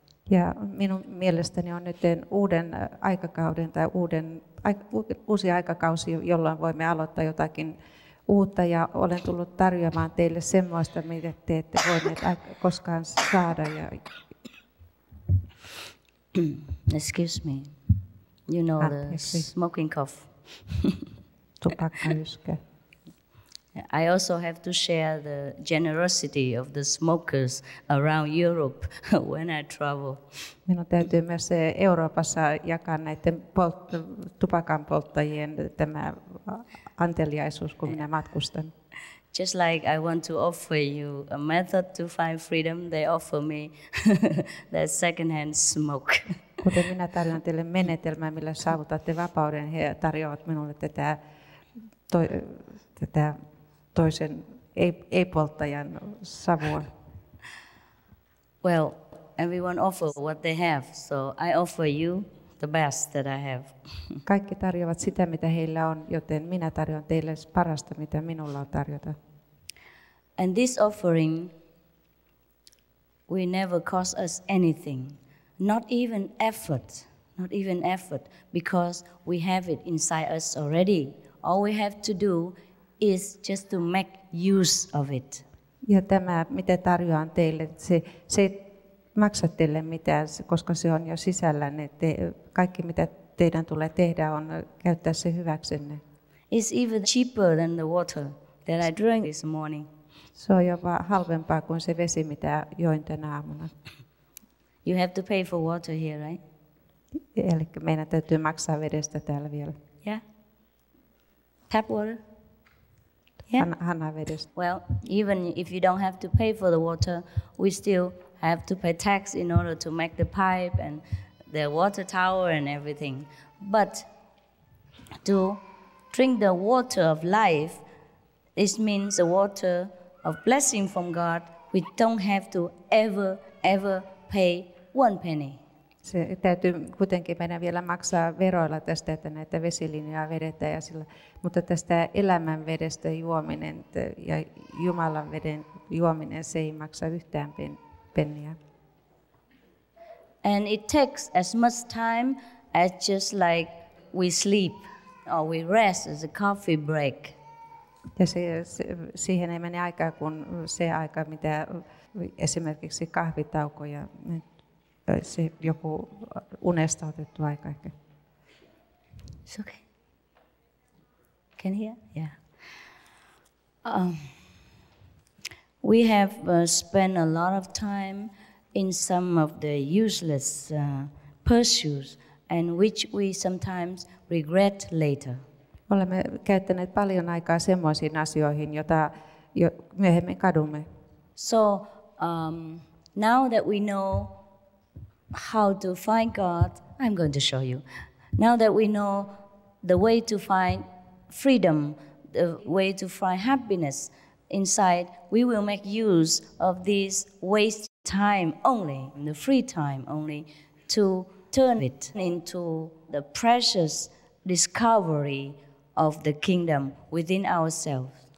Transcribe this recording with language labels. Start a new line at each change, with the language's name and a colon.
Finnish: Ja minun mielestäni on nyt uuden aikakauden tai uusi aikakausi, jolloin voimme aloittaa jotakin uutta, ja olen tullut tarjoamaan teille semmoista, mitä te ette voineet koskaan saada. Ja
English: excuse me. You know, the smoking cough.
Finnish: Tupakka-yskä.
English: I also have to share the generosity of the smokers around Europe when I travel.
Finnish: Minun täytyy myös Euroopassa jakaa näiden tupakan polttajien tämä anteliaisuus, kun minä matkustan.
English: Just like I want to offer you a method to find freedom, they offer me that secondhand smoke.
Finnish: Kuten minä tarjoan teille menetelmän, millä saavutatte vapauden, he tarjoavat minulle tätä toisen ei-polttajan savua.
English: Well, everyone offers what they have, so I offer you the best that I have.
Finnish: Kaikki tarjoavat sitä, mitä heillä on, joten minä tarjoan teille parasta, mitä minulla on tarjota.
English: And this offering will never cost us anything. not even effort, because we have it inside us already. All we have to do is just to make use of it.
Finnish: Ja tämä, mitä tarjoan teille, se ei maksa teille mitään, koska se on jo sisällä. Että kaikki, mitä teidän tulee tehdä, on käyttää se hyväksenne.
English: It's even cheaper than the water that I drank this morning.
Finnish: Se on jopa halvempaa kuin se vesi, mitä join tänä aamuna.
English: You have to pay for water here, right?
Finnish: Eli meidän täytyy maksaa vedestä täällä vielä.
English: Yeah. Tap water? Yeah.
Finnish: Hanavedestä.
English: Well, even if you don't have to pay for the water, we still have to pay tax in order to make the pipe and the water tower and everything. But to drink the water of life, this means the water of blessing from God, we don't have to ever, ever pay one penny.
Finnish: Se täytyy kuitenkin meidän vielä maksaa veroilla tästä, että näitä vesilinjaa vedetään ja sillä, mutta tästä elämänvedestä juominen ja Jumalan veden juominen, se ei maksa yhtään penniä.
English: And it takes as much time as just like we sleep or we rest as a coffee break.
Finnish: Ja siihen ei mene aikaa kuin se aika, mitä esimerkiksi kahvitauko ja se joku unesta otettu aika.
English: It's okay. Can you hear? Yeah. We have spent a lot of time in some of the useless pursuits and which we sometimes regret later.
Finnish: Olemme käyttäneet paljon aikaa semmoisiin asioihin, joita myöhemmin kadumme.
English: So, now that we know how to find God, I'm going to show you. Now that we know the way to find freedom, the way to find happiness inside, we will make use of this waste time only, the free time only, to turn it into the precious discovery of the kingdom within ourselves.